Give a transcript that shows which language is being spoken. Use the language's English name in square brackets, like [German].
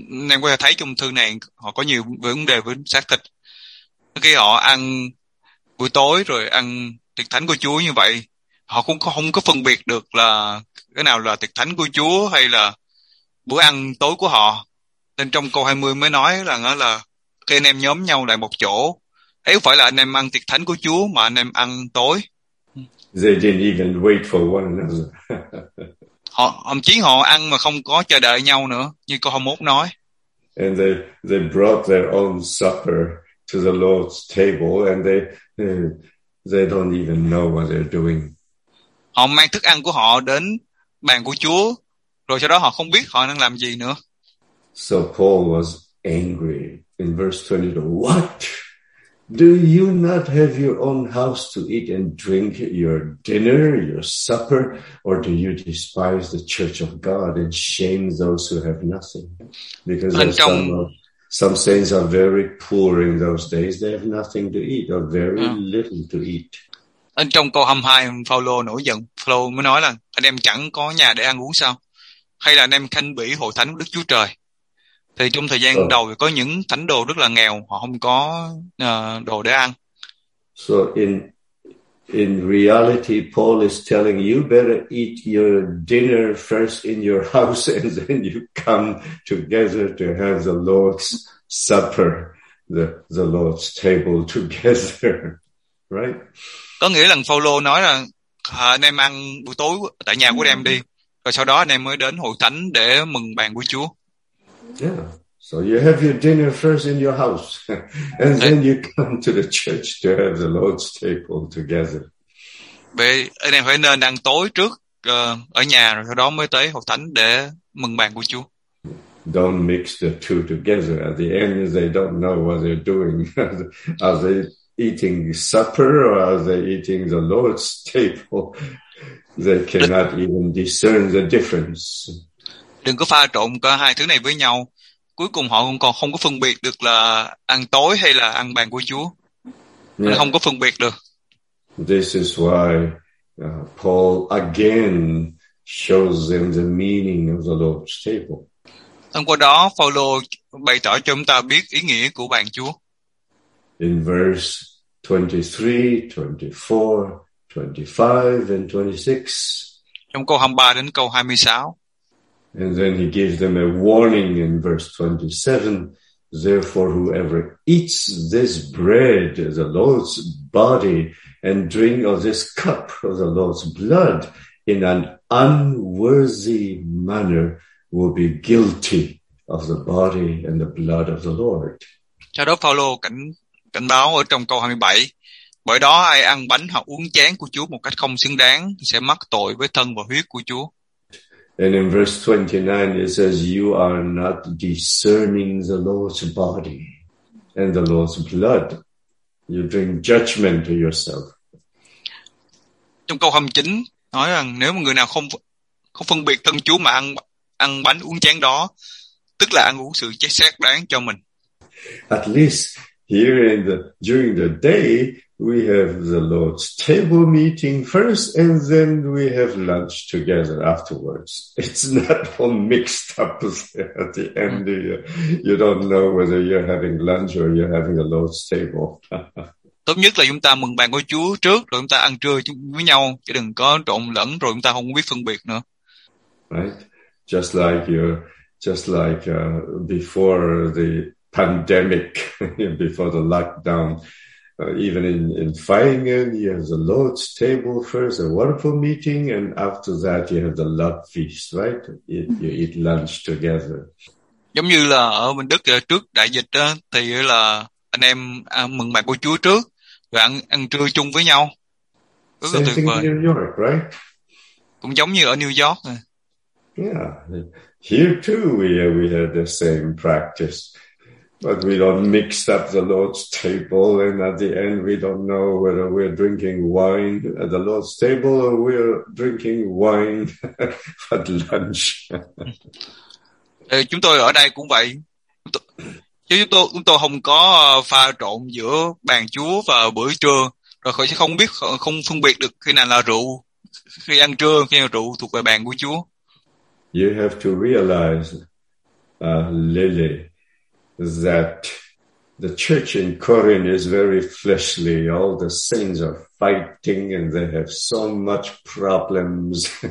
[Vietnamese] Em có thể thấy trong thư này họ có nhiều vấn đề với xác thịt. Khi họ ăn buổi tối rồi ăn tiệc thánh của Chúa như vậy, họ cũng không có phân biệt được là cái nào là tiệc thánh của Chúa hay là bữa ăn tối của họ. Nên trong câu 20 mới nói rằng là khi anh em nhóm nhau lại một chỗ, ấy phải là anh em ăn tiệc thánh của Chúa mà anh em ăn tối. [English] They didn't even wait for one another. [Vietnamese] Họ thậm chí họ ăn mà không có chờ đợi nhau nữa, như câu 21 nói. [English] And they brought their own supper to the Lord's table, and they don't even know what they're doing. [Vietnamese] Họ mang thức ăn của họ đến bàn của Chúa, rồi sau đó họ không biết họ đang làm gì nữa. [English] So Paul was angry in verse 22. What? Do you not have your own house to eat and drink your dinner, your supper? Or do you despise the church of God and shame those who have nothing? Because some saints are very poor in those days. They have nothing to eat or very little to eat. [Vietnamese] Anh trong câu 22, Paulo nổi giận. Paulo mới nói là anh em chẳng có nhà để ăn uống sao? Hay là anh em khinh bỉ hội thánh Đức Chúa Trời? Thì trong thời gian đầu có những thánh đồ rất là nghèo, họ không có đồ để ăn. [English] So in reality, Paul is telling you better eat your dinner first in your house, and then you come together to have the Lord's supper, the Lord's table together, right? [Vietnamese] Có nghĩa là Phaolô nói là anh em ăn buổi tối tại nhà của em đi, rồi sau đó anh em mới đến hội thánh để mừng bàn của Chúa. [English] Yeah, so you have your dinner first in your house, and then you come to the church to have the Lord's table together. [Vietnamese] Vậy anh em phải nên ăn tối trước ở nhà, rồi sau đó mới tới hội thánh để mừng bàn của Chúa. [English] Don't mix the two together. At the end, they don't know what they're doing. Are they eating supper or are they eating the Lord's table? They cannot even discern the difference. [Vietnamese] Đừng có pha trộn cả hai thứ này với nhau. Cuối cùng họ còn không có phân biệt được là ăn tối hay là ăn bàn của Chúa. Yeah. Không có phân biệt được. [English] This is why Paul again shows them the meaning of the Lord's table. [Vietnamese] Thông qua đó, Paulo bày tỏ cho chúng ta biết ý nghĩa của bàn Chúa. [English] In verse 23, 24, 25, and 26. [Vietnamese] Trong câu 23 đến câu 26. [English] And then he gives them a warning in verse 27. Therefore, whoever eats this bread, the Lord's body, and drink of this cup of the Lord's blood in an unworthy manner will be guilty of the body and the blood of the Lord. [Vietnamese] Sau đó Phaolô cảnh báo ở trong câu 27. Bởi đó ai ăn bánh hoặc uống chén của Chúa một cách không xứng đáng sẽ mắc tội với thân và huyết của Chúa. [English] And in verse 29 it says you are not discerning the Lord's body and the Lord's blood. You bring judgment to yourself. [Vietnamese] Trong câu 29 nói rằng nếu mà người nào không phân biệt thân Chúa mà ăn bánh uống chén đó, tức là ăn uống sự chết xác đáng cho mình. [English] At least here in the during the day we have the Lord's table meeting first and then we have lunch together afterwards. It's not all mixed up at the end. You don't know whether you're having lunch or you're having the Lord's table. [Vietnamese] Tốt nhất là chúng ta mừng bàn của Chúa trước rồi chúng ta ăn trưa với nhau chứ đừng có trộn lẫn rồi chúng ta không biết phân biệt nữa. [English] Right. Just like before the pandemic, before the lockdown, even in Feigen, you have the Lord's table first, a wonderful meeting, and after that you have the love feast, right? You eat lunch together. [Vietnamese] Giống như là ở bên Đức trước đại dịch đó, thì là anh em mừng bàn của Chúa trước rồi ăn trưa chung với nhau. Rất [English] same thing in New York, right? [Vietnamese] Cũng giống như ở New York. [English] Yeah, here too we had the same practice, but we don't mix up the Lord's table, and at the end we don't know whether we're drinking wine at the Lord's table or we're drinking wine at lunch. [Vietnamese] Chúng tôi ở đây cũng vậy. Chúng tôi không có pha trộn giữa bàn Chúa và bữa trưa, rồi họ sẽ không biết không phân biệt được khi nào là rượu khi ăn trưa, khi nào rượu thuộc về bàn của Chúa. [English] You have to realize, Lily, that the church in Corinth is very fleshly. All the saints are fighting and they have so much problems.